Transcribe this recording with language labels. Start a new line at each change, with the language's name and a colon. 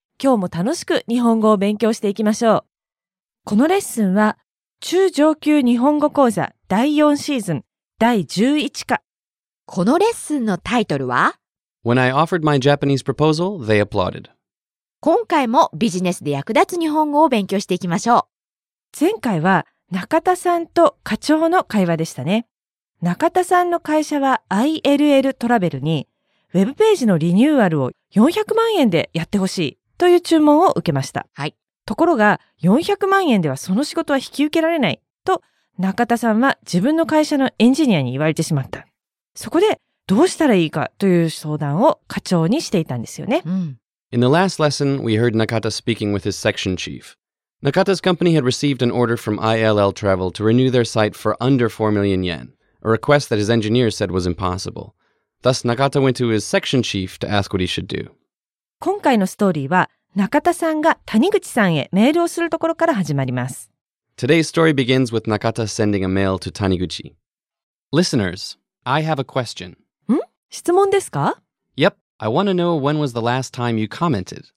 Japanese: 今日も楽しく日本語を勉強していきましょう。このレッスンは中上級日本語講座第4シーズン。第11課。このレッスンのタイトルは
English: When I offered my Japanese proposal, they applauded.
Japanese: 今回もビジネスで役立つ日本語を勉強していきましょう。前回は中田さんと課長の会話でしたね。中田さんの会社は ILL トラベルにウェブページのリニューアルを400万円でやってほしいという注文を受けました。はい。ところが400万円ではその仕事は引き受けられないと中田さんは自分の会社のエンジニアに言われてしまった。そこでどうしたらいいかという相談を課長にしていたんですよね。
English: In the last lesson, we heard Nakata speaking with his section chief. Nakata's company had received an order from ILL Travel to renew their site for under 4 million yen, a request that his engineers said was impossible. Thus, Nakata went to his section chief to ask what he should do.
Japanese: 今回のストーリーは中田さんが谷口さんへメールをするところから始まります。
English: Today's story begins with Nakata sending a mail to Taniguchi. Listeners, I have a question.
Japanese: ん?質問ですか?
English: Yep, I want to know when was the last time you commented.